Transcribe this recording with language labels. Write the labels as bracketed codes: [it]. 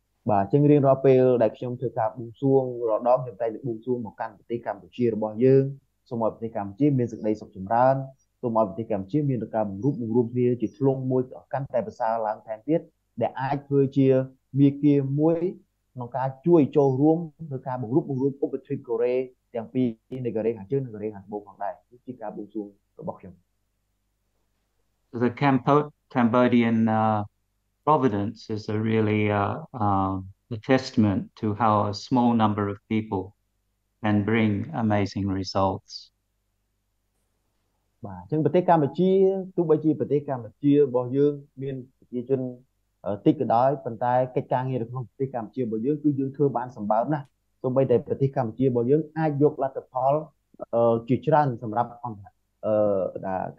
[km] បាទចឹងរៀងរាល់ពេលដែលខ្ញុំធ្វើការបួងសួងរដងខ្ញុំតែបួងសួងមកកាន់ប្រទេសកម្ពុជារបស់យើងសូមឲ្យប្រទេសកម្ពុជាមានសេចក្តីសុខចម្រើនសូមឲ្យប្រទេសកម្ពុជាមានការបង្រួបបង្រួមគ្នាជាធ្លុងមួយកាន់តែប្រសើរឡើងថែមទៀតដែលអាចធ្វើជាមាគ៌ាមួយក្នុងការជួយចូលរួមក្នុងការបង្រួបបង្រួមឧបទ្វីបកូរ៉េទាំងពីរនៃកូរ៉េខាងជើងនិងកូរ៉េខាងត្បូងផងដែរគឺជាការបួងសួងរបស់ខ្ញុំ [en] The Cambodian providence is a really a testament to how a small number of people can bring amazing results. [km] បាទអញ្ចឹងប្រទេសកម្ពុជាទោះបីជាប្រទេសកម្ពុជារបស់យើងមានប្រជាជនតិចក៏ដោយប៉ុន្តែកិច្ចការងារក្នុងប្រទេសកម្ពុជារបស់យើងគឺយើងធ្វើបានសម្បើមណាស់ទោះបីតែប្រទេសកម្ពុជារបស់យើងអាចយកលទ្ធផលជាច្រើនសម្រាប់អន្តរជាតិ